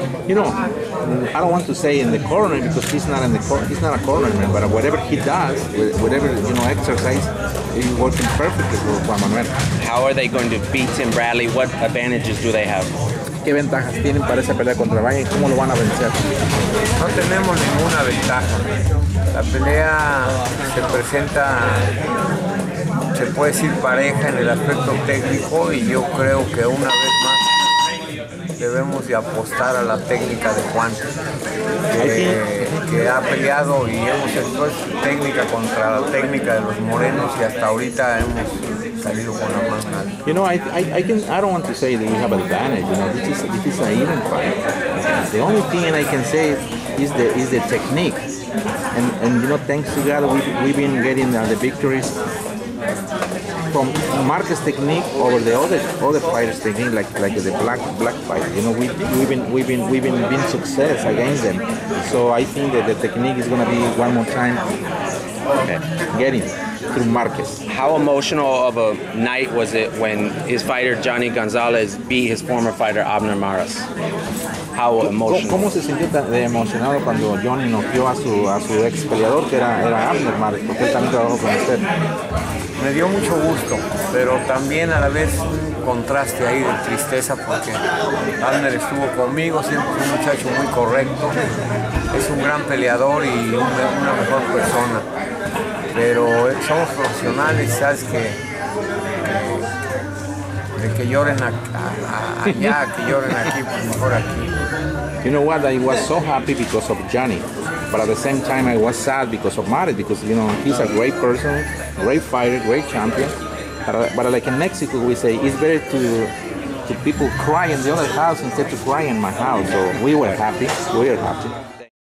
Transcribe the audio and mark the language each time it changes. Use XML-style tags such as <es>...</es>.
<en>You know, I don't want to say in the corner because he's not a corner man, but whatever he does, whatever, you know, exercise, he's working perfectly for Juan Manuel. How are they going to beat Tim Bradley? What advantages do they have?</en> <es>¿Qué ventajas tienen para esa pelea contra Ryan? ¿Cómo lo van a vencer? No tenemos ninguna ventaja. La pelea se presenta, se puede decir, pareja en el aspecto técnico, y yo creo que una vez más debemos de apostar a la técnica de Juan, que ha peleado y hemos hecho técnica contra la técnica de los morenos y hasta ahorita hemos...</es> <en>You know, I don't want to say that we have advantage. You know, this is an even fight. The only thing I can say is the technique, and you know, thanks to God we've been getting the victories from Marquez technique over the other fighters' technique, like the black fighter. You know, we've been success against them. So I think that the technique is gonna be one more time. Getting through Marquez. How emotional of a night was it when his fighter Jhonny Gonzalez beat his former fighter Abner Mares? How emotional?</en> <es>¿Cómo se sintió de emocionado cuando Jhonny noqueó a su ex peleador que era Abner Mares? Porque él también trabajó con usted. Me dio mucho gusto, pero también a la vez contraste ahí de tristeza porque Abner estuvo conmigo, siempre fue un muchacho muy correcto, es un gran peleador y una mejor persona. Pero somos profesionales, sabes que de que lloren allá, que lloren aquí, pues mejor aquí.</es> <en>You know what? I was so happy because of Jhonny, but at the same time I was sad because of Mares, because you know he's a great person, great fighter, great champion. But like in Mexico we say, it's better to people cry in the other house instead of crying in my house. So we were happy.</en>